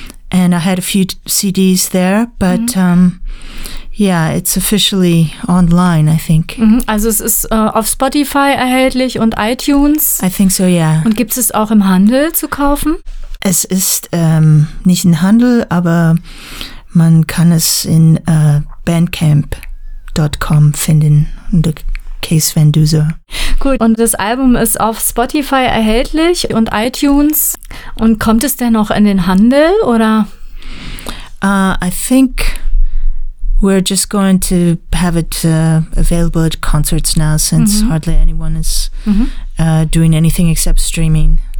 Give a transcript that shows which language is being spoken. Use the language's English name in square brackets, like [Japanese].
[English] And I had a few CDs there, but it's officially online, I think. [German] Also es ist auf Spotify erhältlich und iTunes. [English] I think so, yeah. [German] Und gibt es auch im Handel zu kaufen? Es ist nicht im Handel, aber man kann es in Bandcamp.com finden unter Case van Duza. Gut, und das Album ist auf Spotify erhältlich und iTunes. Und kommt es denn noch in den Handel, oder? [English] I think we're just going to have it available at concerts now, since hardly anyone is doing anything except streaming.